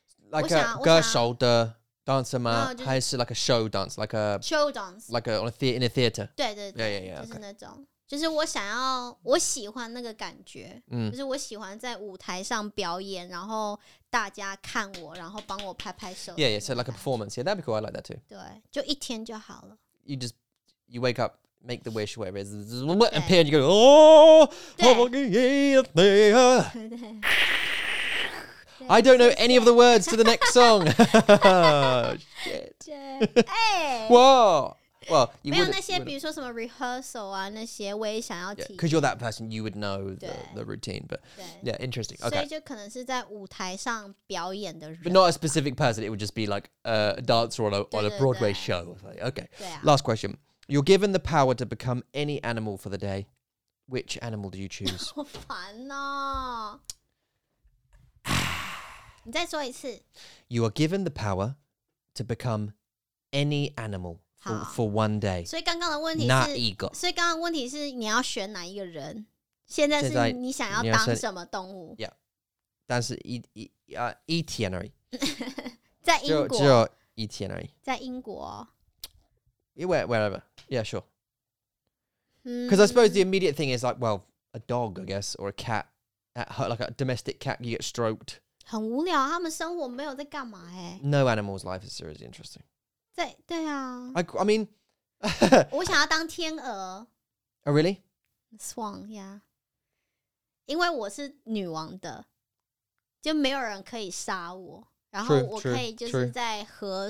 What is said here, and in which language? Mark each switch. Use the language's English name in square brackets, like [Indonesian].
[Chinese] like 歌手的 dancer 吗、就是、 [English] 还是 like a show dance like a show dance like a, on a theater, in a theater [Chinese] 对对对 [English] yeah, [Chinese] 就是那种、 [English] okay. [Chinese] 就是我想要我喜欢那个感觉、就是我喜欢在舞台上表演然后大家看我，然后帮我拍拍手。 [English] Yeah, yeah. So like a performance. Yeah, that'd be cool. I like that too. [Chinese] 对，就一天就好了。 [English] You wake up, make the wish, whatever it is, appear, and you go, oh, oh, yeah. I don't know any of the words to the next song. Shit. Well, you [Chinese] 没有那些，比如说什么 rehearsal 啊，那些我也想要提。 [English] Because you're that person, you would know the routine. But yeah, interesting. Okay. [Chinese] 所以就可能是在舞台上表演的人。 [English] But not a specific person. It would just be like a dancer on a Broadway show. Okay. Last question. You're given the power to become any animal for the day. Which animal do you choose? [Chinese] 好烦哦。你再说一次。 [English] You are given the power to become any animal. For one day. [Chinese] 所以刚刚的问题是 [English] Not ego. [Chinese] 所以刚刚问题是你要选哪一个人现在是你想要当什么动物 Yeah. 但是一天而已在英国只有一天而已在英国 [English] Wherever. Yeah, sure. Because I suppose the immediate thing is like, well, a dog, I guess, or a cat. Like a domestic cat, you get stroked. [Chinese] 很无聊他们生活没有在干嘛、欸、 [English] No animal's life is seriously interesting. [Chinese] 对对啊 [English] I mean [Chinese] 我想要当天鹅 [English] Oh really? Swan, yeah [Chinese] 因为我是女王的就没有人可以杀我然后我可以就是在河